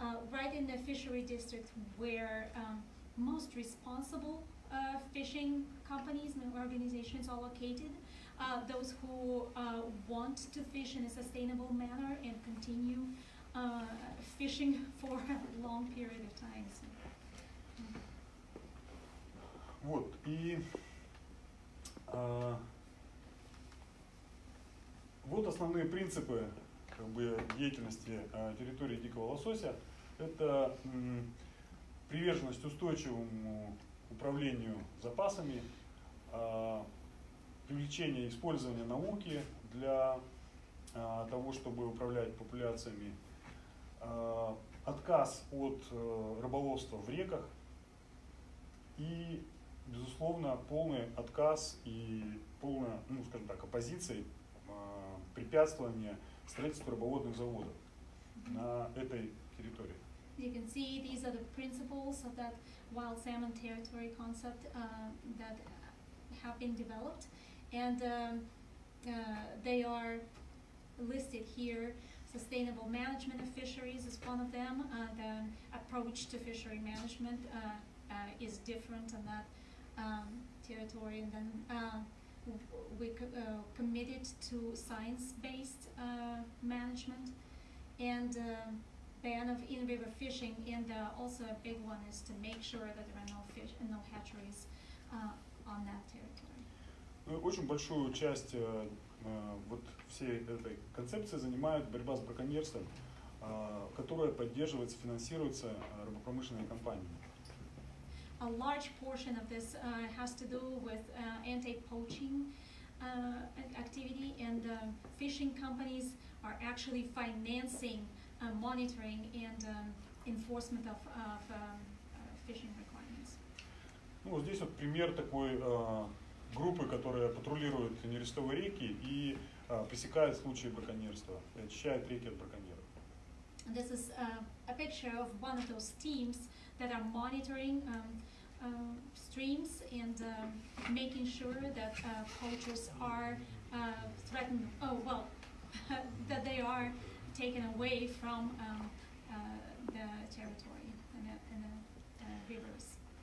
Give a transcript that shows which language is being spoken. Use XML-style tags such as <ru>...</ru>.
<en>right in the fishery district where most responsible fishing companies and organizations are located. Those who want to fish in a sustainable manner and continue fishing for a long period of time.</en> <ru>Вот, и вот основные принципы, как бы, деятельности территории дикого лосося. Это приверженность устойчивому управлению запасами, привлечение, использование науки для того, чтобы управлять популяциями, отказ от рыболовства в реках и, безусловно, полный отказ и полная, ну, скажем так, оппозиция, препятствование строительству рыбоводных заводов на этой территории.</ru> <en>You can see these are the principles of that wild salmon territory concept that have been developed, and they are listed here. Sustainable management of fisheries is one of them. The approach to fishery management is different on that territory, and then we committed to science-based management and ban of in-river fishing, and also a big one is to make sure that there are no fish and no hatcheries on that territory.</en> <ru>Очень большую часть вот всей этой концепции занимает борьба с браконьерством, которая поддерживается, финансируется рыбопромышленными компаниями.</ru> <en>A large portion of this has to do with anti-poaching activity, and fishing companies are actually financing monitoring and enforcement of fishing requirements.</en> <ru>Ну, вот здесь вот пример такой группы, которая патрулирует нерестовые реки и пресекает случаи браконьерства, очищает реки от браконьеров.</ru> <en>This is a picture of one of those teams that are monitoring streams and making sure that poachers are threatened, oh well, that they are taken away from the territory and the rivers.</en>